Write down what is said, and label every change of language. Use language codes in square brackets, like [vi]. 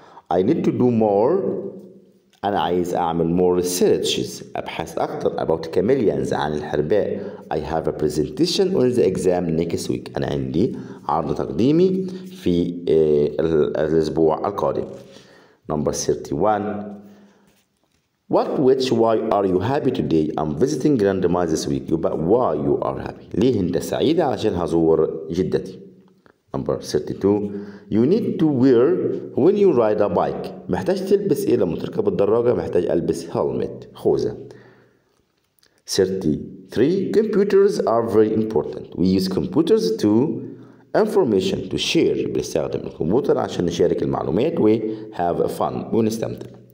[en] I need to do more [ar] انا عايز اعمل [en] more researches [ar] ابحث اكتر [en] about chameleons [ar] عن الحرباء. [en] I have a presentation on the exam next week [ar] انا عندي عرض تقديمي في الأسبوع القادم. [en] Number 31 What which why are you happy today? I'm visiting grandma this week. But why you are happy? [ar] ليه انت سعيدة علشان هزور جدتي. [en] Number 32 You need to wear when you ride a bike. [ar] محتاج تلبس ايه لما تركب الدراجة؟ محتاج ألبس helmet خوذة. [en] 33 Computers are very important. We use computers to information to share [ar] بنستخدم الكمبيوتر عشان نشارك المعلومات [en] و have fun [ar] ونستمتع.